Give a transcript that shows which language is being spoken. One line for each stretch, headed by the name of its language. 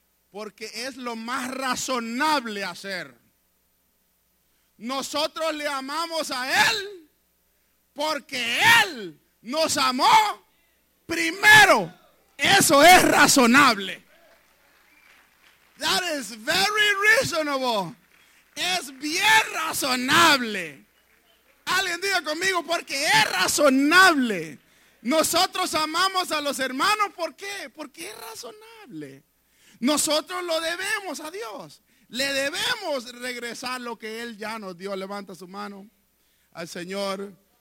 Spanish: Porque es lo más razonable hacer. Nosotros le amamos a Él porque Él nos amó primero. Eso es razonable.
English: That is very reasonable.
Spanish: Es bien razonable. Alguien diga conmigo, porque es razonable. Nosotros amamos a los hermanos, ¿por qué? Porque es razonable. Nosotros lo debemos a Dios. Le debemos regresar lo que Él ya nos dio. Levanta su mano al Señor.